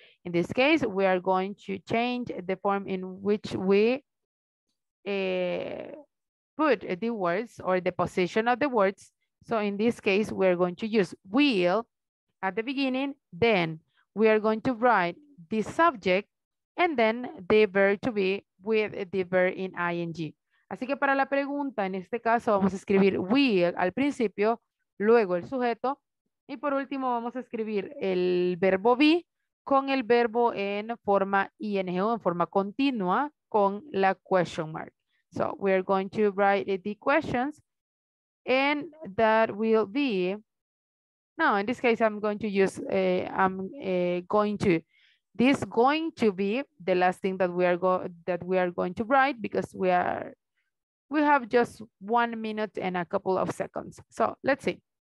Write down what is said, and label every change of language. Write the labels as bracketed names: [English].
[English] In this case, we are going to change the form in which we put the words or the position of the words. So in this case, we're going to use will at the beginning, then we are going to write the subject and then the verb to be with the verb in ing. [Spanish] Así que para la pregunta, en este caso, vamos a escribir will al principio, luego el sujeto, y por último vamos a escribir el verbo be con el verbo en forma ing o en forma continua con la question mark. [English] So we are going to write the questions, and that will be, no, in this case I'm going to use, this going to be the last thing that we are going to write, because we have just 1 minute and a couple of seconds. So let's see.